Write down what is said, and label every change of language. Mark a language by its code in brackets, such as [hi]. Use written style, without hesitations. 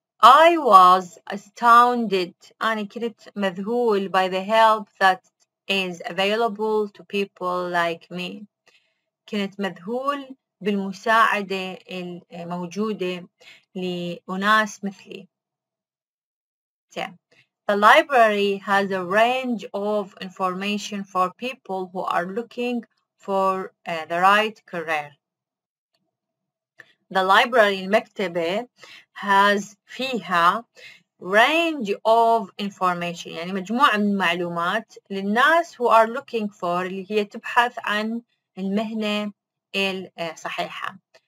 [en] I was astounded، [ar] أنا كنت مذهول. [en] By the help that is available to people like me، [ar] كنت مذهول بالمساعدة الموجودة لأناس مثلي. [en] The library has a range of information for people who are looking for the right career. The library [ar] المكتبة [en] has [ar] فيها [en] range of information، [ar] يعني مجموعة من المعلومات للناس [en] who are looking for، [ar] اللي هي تبحث عن المهنة الصحيحة.